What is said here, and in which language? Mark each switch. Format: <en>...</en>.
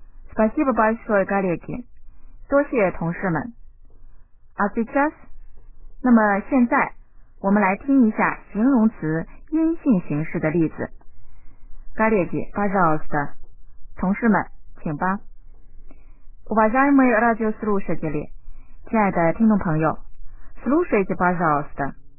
<ru>Спасибо большое, коллеги.</ru> <zh>多谢同事们.</zh> <ru>А сейчас?</ru> <zh>那么现在, 我们来听一下形容词阴性形式的例子.</zh> <ru>Коллеги, пожалуйста.</ru> <zh>同事们, 请吧。</zh> <ru>Уважаемые радиослушатели,</ru> <zh>亲爱的听众朋友,</zh> <ru>слушайте, пожалуйста.</ru>